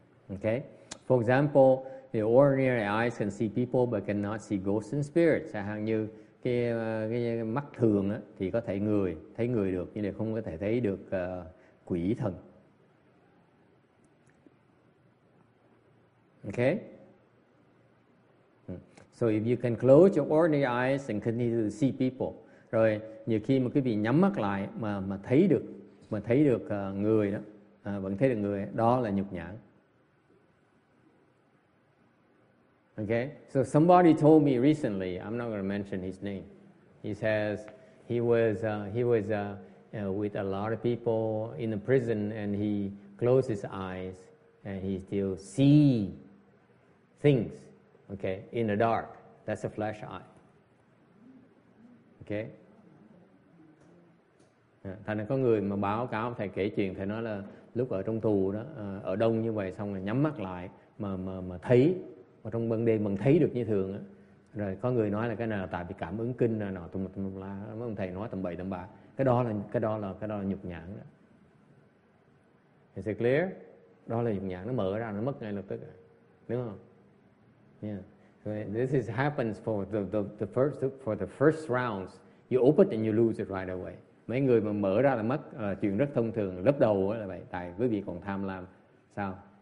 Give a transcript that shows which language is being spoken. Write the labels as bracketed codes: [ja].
[en] Okay, for example, the ordinary eyes can see people but cannot see ghosts and spirits. [vi] Chẳng hạn như cái mắt thường á thì có thể thấy người được nhưng mà không có thể thấy được quỷ thần. [en] Okay. So if you can close your ordinary eyes and continue to see people, [vi] rồi nhiều khi mà quý vị nhắm mắt lại mà thấy được người đó, vẫn thấy được người đó là nhục nhãn. [en] Okay, so somebody told me recently, I'm not going to mention his name. He says he was with a lot of people in the prison and he closed his eyes and he still see things. Okay, in the dark. That's a flash eye. Okay. [vi] Thành ra có người mà báo cáo thầy kể chuyện thầy nói là lúc ở trong tù đó ở đông như vậy xong rồi nhắm mắt lại mà thấy mà trong ban đêm mình thấy được như thường á. Rồi có người nói là cái này là tại vì cảm ứng kinh rồi nọ tùm la mấy ông thầy nói tầm bậy tầm bạ. Cái đó là nhục nhãn đó. [en] Is it clear? [vi] Đó là nhục nhãn, nó mở ra nó mất ngay lập tức. Đúng không? [en] Yeah, this is happens for the first rounds. You open it and you lose it right away. [vi] Mấy người mà mở ra là mất, chuyện rất thông thường. Lớp đầu là vậy, tại quý vị còn tham lam. Sao?